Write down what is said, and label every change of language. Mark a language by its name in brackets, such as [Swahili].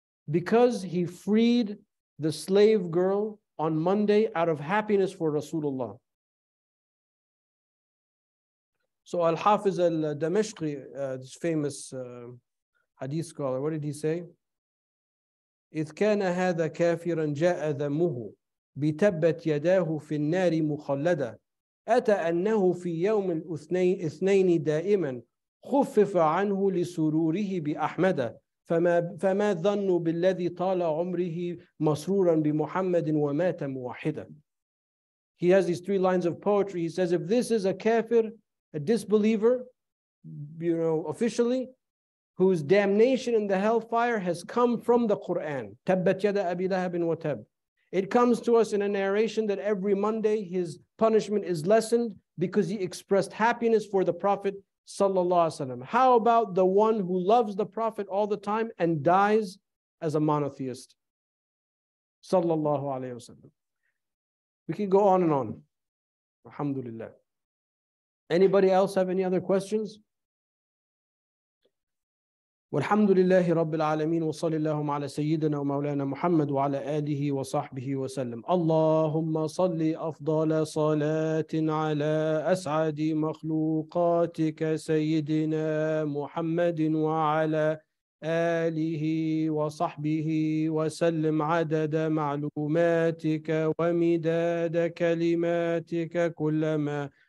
[English] Because he freed the slave girl on Monday out of happiness for Rasulullah. So Al-Hafiz al-Dameshqi, this famous hadith scholar, what did he say? [Arabic] إِذْ كَانَ هَذَا كَافِرًا جَاءَ ذَمُهُ بتبت يداه في النار مخلدة أتى أنه في يوم الاثنين دائما خفف عنه لسروره بأحمد فما ظن بالذي طال عمره مسرورا بمحمد ومات موحدا. [English] He has these three lines of poetry. He says, if this is a kafir, a disbeliever, you know, officially, whose damnation in the hellfire has come from the Quran, [Arabic] تبت يدا أبي لهب وتب. [English] It comes to us in a narration that every Monday his punishment is lessened because he expressed happiness for the Prophet sallallahu alaihi wasallam. How about the one who loves the Prophet all the time and dies as a monotheist? Sallallahu alaihi wasallam. We can go on and on. Alhamdulillah. Anybody else have any other questions? [Arabic] والحمد لله رب العالمين وصلى اللهم على سيدنا ومولانا محمد وعلى آله وصحبه وسلم اللهم صل أفضل صلاة على أسعد مخلوقاتك سيدنا محمد وعلى آله وصحبه وسلم عدد معلوماتك ومداد كلماتك كلما